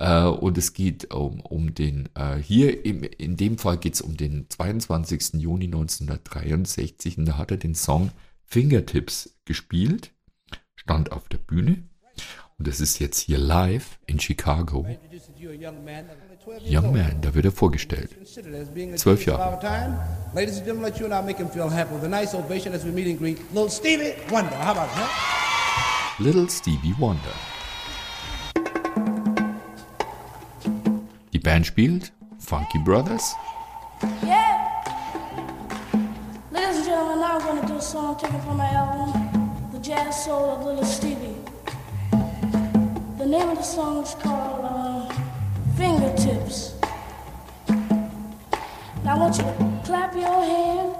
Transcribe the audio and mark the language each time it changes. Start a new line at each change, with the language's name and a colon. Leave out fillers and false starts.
German: Und es geht um den, hier in dem Fall geht es um den 22. Juni 1963 und da hat er den Song Fingertips gespielt, stand auf der Bühne. Und das ist jetzt hier live in Chicago.
English: Young man,
German: da wird er vorgestellt. 12 Jahre.
English: Ladies and gentlemen, let you and I make him feel happy with a nice ovation as we meet and greet Little Stevie Wonder. How about that? Little Stevie Wonder.
German: Die Band spielt Funky Brothers.
English: Yeah. Ladies and gentlemen, now I'm going to do a song taken from my album, The Jazz Soul of Little Stevie. The name of the song is called Fingertips. Now I want you to clap your hand.